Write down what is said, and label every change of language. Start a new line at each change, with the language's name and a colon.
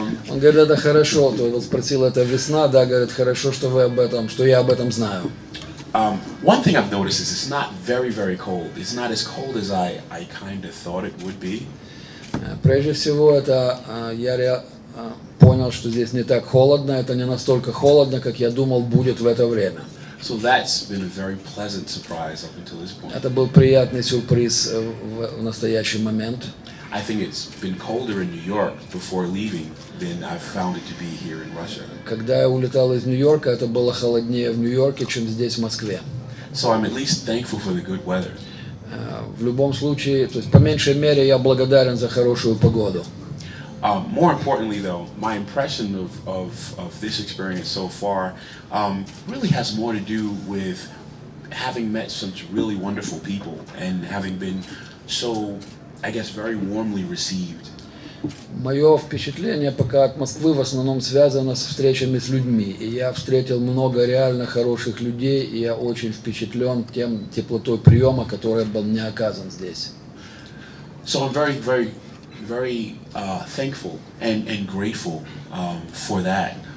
Russian: Он говорит, это хорошо, то он спросил, это весна, да, говорит, хорошо, что вы об этом, что я об этом знаю.
English: One thing I've noticed is it's not very, very cold. It's not as cold as I kind of thought it would be.
Russian: Прежде всего, это я понял, что здесь не так холодно, это не настолько холодно, как я думал, будет в это время.
English: So that's been a very pleasant surprise up until this point.
Russian: Это был приятный сюрприз в настоящий момент.
English: I think it's been colder in New York before leaving than I found it to be here in Russia.
Russian: Когда я улетал из Нью-Йорка, это было холоднее в Нью-Йорке, чем здесь, в Москве.
English: So I'm at least thankful for the good weather.
Russian: В любом случае, то есть по меньшей мере, я благодарен за хорошую погоду.
English: More importantly, though, my impression of this experience so far really has more to do with having met some really wonderful people and having been so, I guess, very warmly received.
Russian: Мое впечатление пока от Москвы в основном связано с встречами с людьми. И я встретил много реально хороших людей, и я очень впечатлен тем теплотой приема, который был мне оказан здесь.
English: So I'm very, very, very thankful and grateful for that.